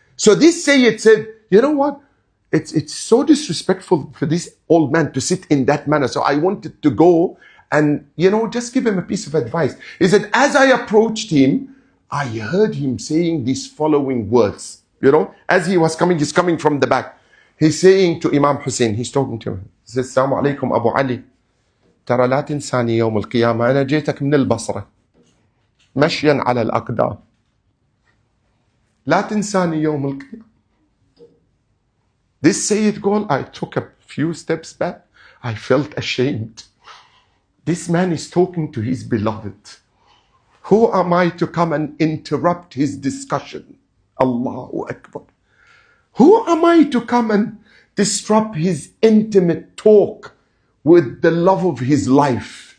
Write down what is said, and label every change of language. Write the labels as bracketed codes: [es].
[en] So this Sayyid said, you know what? It's so disrespectful for this old man to sit in that manner. So I wanted to go and, you know, just give him a piece of advice. He said, as I approached him, I heard him saying these following words. You know, as he was coming, he's coming from the back. He's saying to Imam Hussein, he's talking to him. He says, Assalamu alaikum Abu Ali. [ar] ترى لا تنساني يوم القيامة أنا جيتك من البصرة مشيا على الأقدام لا تنساني يوم القيامة. [en] This Sayyid goal, I took a few steps back. I felt ashamed. This man is talking to his beloved. Who am I to come and interrupt his discussion? Allahu Akbar. Who am I to come and disrupt his intimate talk with the love of his life?